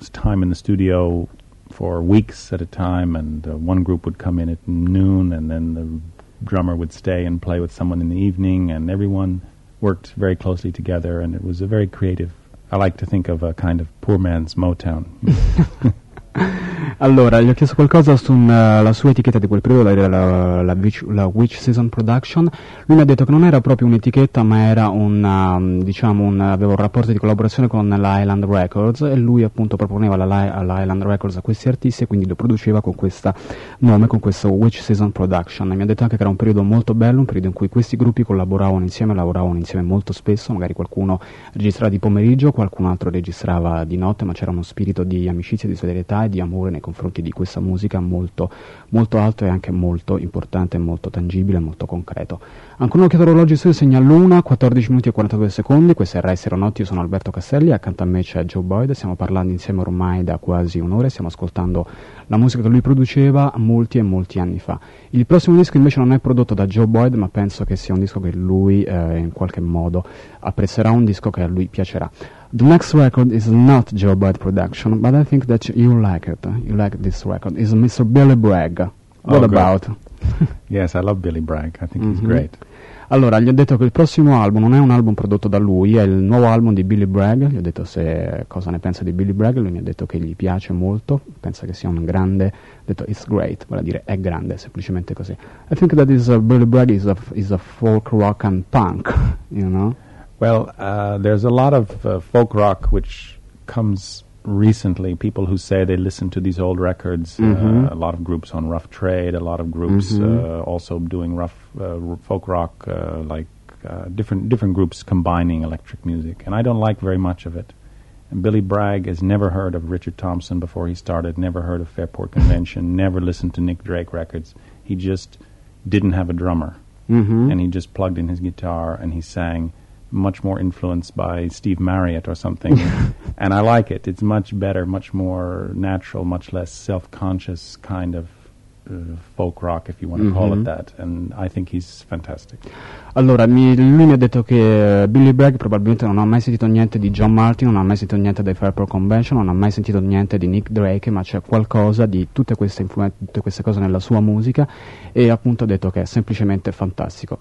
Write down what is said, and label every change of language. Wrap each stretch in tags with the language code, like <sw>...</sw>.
<en>time in the studio for weeks at a time, and one group would come in at noon, and then the drummer would stay and play with someone in the evening, and everyone worked very closely together, and it was a very creative, I like to think of a kind of poor man's Motown.</en> <it>Allora, gli ho chiesto qualcosa sulla sua etichetta di quel periodo, la Witch Season Production. Lui mi ha detto che non era proprio un'etichetta, ma era un, aveva un rapporto di collaborazione con l'Island Records, e lui appunto proponeva all'Island Records a questi artisti, e quindi lo produceva con questo nome, con questo Witch Season Production. E mi ha detto anche che era un periodo molto bello, un periodo in cui questi gruppi collaboravano insieme, lavoravano insieme molto spesso, magari qualcuno registrava di pomeriggio, qualcun altro registrava di notte, ma c'era uno spirito di amicizia, di solidarietà e di amore nei confronti di questa musica molto molto alto e anche molto importante, molto tangibile, molto concreto. Ancora un'occhiata all'orologio, su segna l'una, 14 minuti e 42 secondi, questa è Rai Sera Notte, io sono Alberto Castelli, accanto a me c'è Joe Boyd, stiamo parlando insieme ormai da quasi un'ora e stiamo ascoltando la musica che lui produceva molti e molti anni fa. Il prossimo disco invece non è prodotto da Joe Boyd, ma penso che sia un disco che lui in qualche modo apprezzerà, un disco che a lui piacerà.</it> <en>The next record is not Joe Boyd production, but I think that you like it. You like this record. It's Mr. Billy Bragg. What about? Yes, I love Billy Bragg. I think he's great.</en> <it>Allora, gli ho detto che il prossimo album non è un album prodotto da lui, è il nuovo album di Billy Bragg. Gli ho detto se cosa ne pensa di Billy Bragg. Lui mi ha detto che gli piace molto, pensa che sia un grande. Ha detto</it> <en>it's great,</en> <it>vuol dire è grande, semplicemente così.</it> <en>I think that is Billy Bragg is a folk rock and punk, you know. Well, there's a lot of folk rock which comes recently. People who say they listen to these old records, a lot of groups on Rough Trade, a lot of groups also doing rough folk rock, like different groups combining electric music. And I don't like very much of it. And Billy Bragg has never heard of Richard Thompson before he started, never heard of Fairport Convention, never listened to Nick Drake records. He just didn't have a drummer. Mm-hmm. And he just plugged in his guitar and he sang, much more influenced by Steve Marriott or something. And I like it. It's much better, much more natural, much less self-conscious kind of folk rock, if you want to call it that. And I think he's fantastic.</en> <it>Allora, lui mi ha detto che Billy Bragg probabilmente non ha mai sentito niente di John Martin, non ha mai sentito niente dei Fairport Convention, non ha mai sentito niente di Nick Drake, ma c'è qualcosa di tutte queste cose nella sua musica. E appunto ha detto che è semplicemente fantastico.</it>